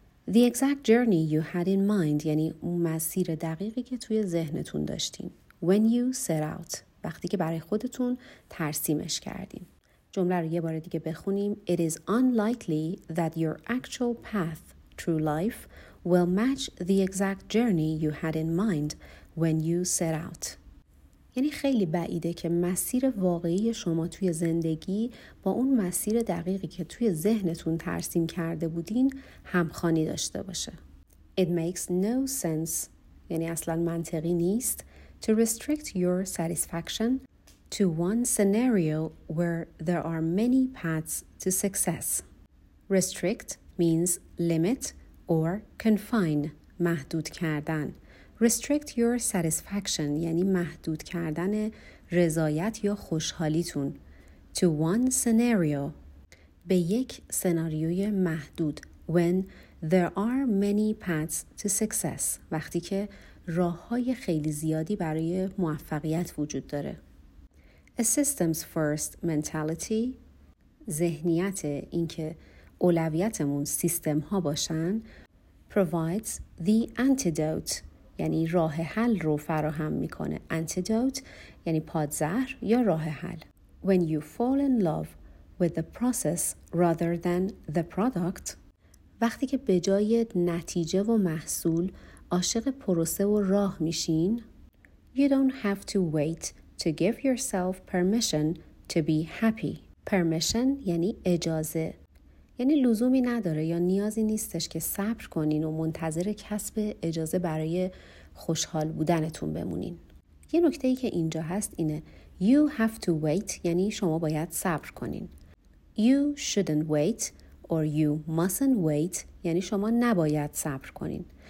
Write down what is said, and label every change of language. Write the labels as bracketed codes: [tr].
[en] The exact journey you had in mind, [fa] یعنی مسیر دقیقی که توی ذهنتون داشتین. [en] When you set out, [fa] وقتی که برای خودتون ترسیمش کردین. جمله رو یه بار دیگه بخونیم. [en] It is unlikely that your actual path, true life, will match the exact journey you had in mind when you set out. [fa] یعنی خیلی بعیده که مسیر واقعی شما توی زندگی با اون مسیر دقیقی که توی ذهنتون ترسیم کرده بودین همخوانی داشته باشه. [en] It makes no sense, [fa] یعنی اصلا منطقی نیست, [en] to restrict your satisfaction to one scenario where there are many paths to success. Restrict means limit or confine, [fa] محدود کردن. [en] Restrict your satisfaction, [fa] یعنی محدود کردن رضایت یا خوشحالیتون. [en] To one scenario, [fa] به یک سناریوی محدود. [en] When there are many paths to success, [fa] وقتی که راه‌های خیلی زیادی برای موفقیت وجود داره. [en] A systems first mentality, [fa] ذهنیت اینکه اولویتمون سیستم ها باشن, [en] provides the antidote, [fa] یعنی راه حل رو فراهم میکنه. Antidote یعنی پادزهر یا راه حل. [en] When you fall in love with the process rather than the product, [fa] وقتی که به جای نتیجه و محصول عاشق پروسه و راه میشین, [en] you don't have to wait to give yourself permission to be happy. [fa] Permission یعنی اجازه. یعنی لزومی نداره یا نیازی نیستش که صبر کنین و منتظر کسب اجازه برای خوشحال بودنتون بمونین. یه نکته ای که اینجا هست اینه. [en] You have to wait [fa] یعنی شما باید صبر کنین. [en] You shouldn't wait or you mustn't wait [fa] یعنی شما نباید صبر کنین.